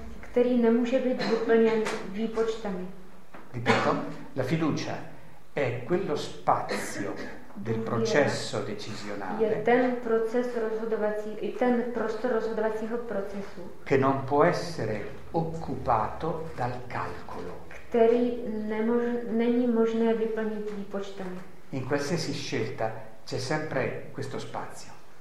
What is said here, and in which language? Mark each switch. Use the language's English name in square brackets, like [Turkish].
[Czech] Který nemůže být doplněn výpočtami. [Italian] Ripeto, la fiducia è quello spazio del processo decisionale. [Czech] Je ten proces rozhodovací, i ten prostor rozhodovacího procesu, [Italian] che non può essere occupato dal calcolo. [Czech] Který není možné vyplnit výpočtami. [Italian] In qualsiasi scelta c'è sempre questo spazio.